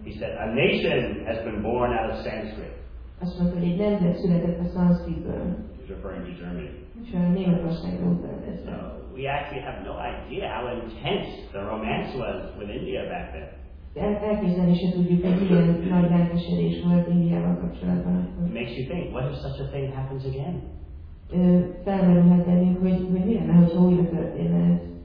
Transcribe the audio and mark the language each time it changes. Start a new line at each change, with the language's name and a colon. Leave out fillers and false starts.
English: He said, a nation has been born out of Sanskrit.
Hungarian: Azt mondta, hogy egy nemzet született a Sanskritből.
English: He's referring to Germany.
Hungarian: És a Németországról beszélt.
English: So we actually have no idea how intense the romance was with India back then.
Hungarian: Elképzelni se tudjuk, hogy ilyen nagy lelkesedés volt Indiával kapcsolatban.
English: Makes you think, what if such a thing happens again?
Hungarian: Felmerülhetnénk, hogy milyen, hogy újra történne ez.